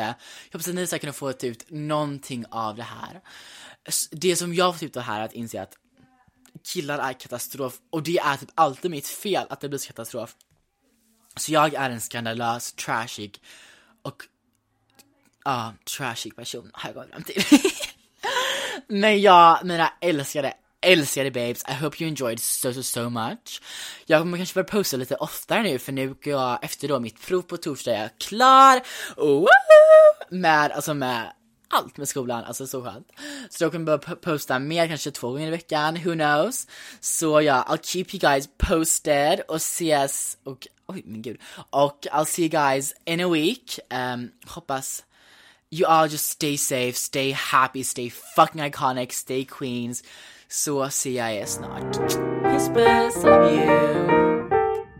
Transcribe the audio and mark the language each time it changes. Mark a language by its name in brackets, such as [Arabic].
[Swedish] Jag hoppas att ni ska kunna få ut någonting av det här. Det som jag har fått ut av det här är att inse att killar är katastrof. Och det är typ alltid mitt fel att det blir katastrof. Så jag är en skandalös, trashig och trashig person har jag gått fram till. Men ja, mina älskade, älskade [English] babes, I hope you enjoyed so much. [Swedish] Jag kommer kanske börja posta lite oftare nu, för nu går jag efter då mitt prov på torsdag, jag är klar. Med, alltså med allt med skolan, alltså så skönt. Så då kommer jag börja posta mer, kanske 2 gånger i veckan, [English] who knows. Så ja, I'll keep you guys posted [Swedish] och ses, och oj min gud, och [English] I'll see you guys in a week. Hoppas you all just stay safe, stay happy, stay fucking iconic, stay queens. So I'll see you guys next. Kiss, bless, love you.